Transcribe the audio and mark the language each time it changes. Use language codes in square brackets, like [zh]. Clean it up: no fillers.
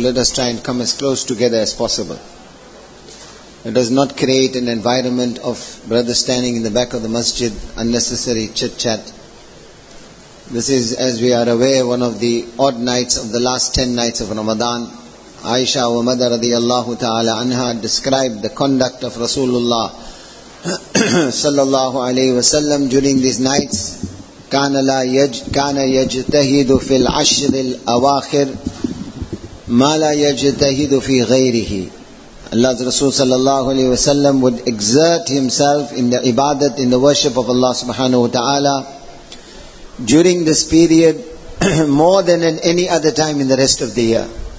[en] Let us try and come as close together as possible. Let us not create an environment of brothers standing in the back of the masjid, unnecessary chit-chat. This is, as we are aware, one of the odd nights of the last 10 nights of Ramadan. Aisha wa Madha radiallahu ta'ala anha described the conduct of Rasulullah sallallahu alayhi wa sallam during these nights. [ar] كان يجتهد في العشر الأواخر ما لا يجتهد في غيره. [en] Allah's Rasul sallallahu alayhi wa sallam would exert himself in the ibadat, in the worship of Allah subhanahu wa ta'ala during this period more than at any other time in the rest of the year.